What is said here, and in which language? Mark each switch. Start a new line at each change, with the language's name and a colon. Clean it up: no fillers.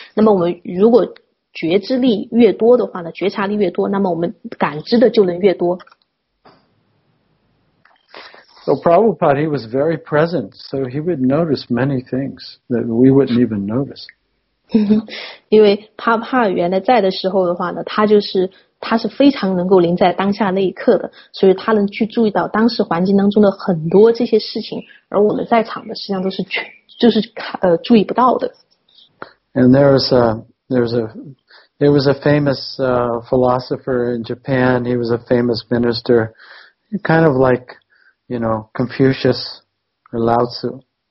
Chinese: 那么我们如果觉知力越多的话呢，觉察力越多，那么我们感知的就能越多。
English: So Prabhupada, he was very present, so he would notice many things that we wouldn't even notice.
Chinese: 因为帕帕原来在的时候的话呢，他是非常能够临在当下那一刻的，所以他能去注意到当时环境当中的很多这些事情，而我们在场的实际上都是注意不到的。
English: And there was a famous philosopher in Japan. He was a famous minister, kind of like, you know, Confucius or Lao Tzu.